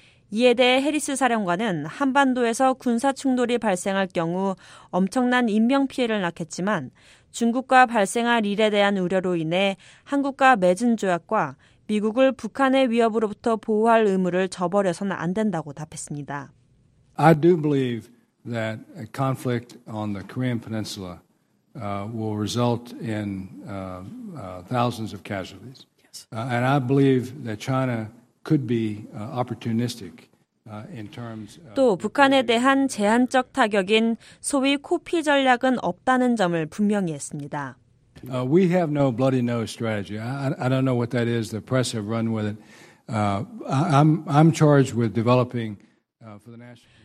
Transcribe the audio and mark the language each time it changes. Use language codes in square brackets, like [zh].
[ko] 이에 대해 해리스 사령관은 한반도에서 군사 충돌이 발생할 경우 엄청난 인명피해를 낳겠지만 중국과 발생할 일에 대한 우려로 인해 한국과 맺은 조약과 미국을 북한의 위협으로부터 보호할 의무를 저버려서는 안 된다고 답했습니다. [en] I do believe that a conflict on the Korean Peninsula will result in thousands of casualties. Yes. And I believe that China could be opportunistic. In terms of [ko] 또 북한에 대한 제한적 타격인 소위 코피 전략은 없다는 점을 분명히 했습니다. [en] We have no bloody nose strategy. I don't know what that is. The press have run with it. I'm charged with developing for the national.